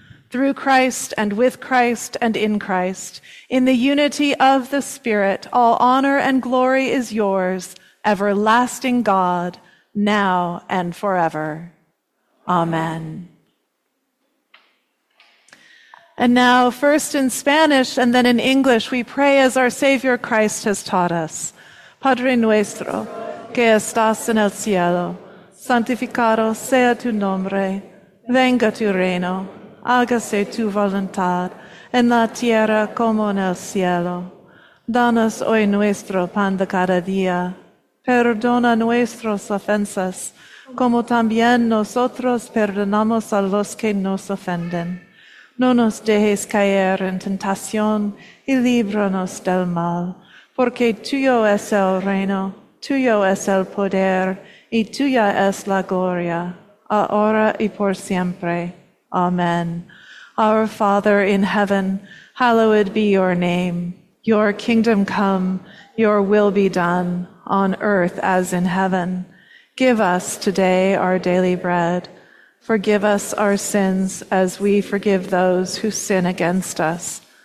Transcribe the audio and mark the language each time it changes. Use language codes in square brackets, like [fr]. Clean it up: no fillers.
[en] Through Christ and with Christ and in Christ, in the unity of the Spirit, all honor and glory is yours, everlasting God, now and forever. Amen. And now, first in Spanish and then in English, we pray as our Savior Christ has taught us. [es] Padre nuestro, que estás en el cielo, santificado sea tu nombre, venga tu reino, hágase tu voluntad, en la tierra como en el cielo. Danos hoy nuestro pan de cada día. Perdona nuestras ofensas, como también nosotros perdonamos a los que nos ofenden. No nos dejes caer en tentación, y líbranos del mal. Porque tuyo es el reino, tuyo es el poder, y tuya es la gloria, ahora y por siempre. Amen. [en] Our Father in heaven, hallowed be your name. Your kingdom come, your will be done, on earth as in heaven. Give us today our daily bread. Forgive us our sins as we forgive those who sin against us.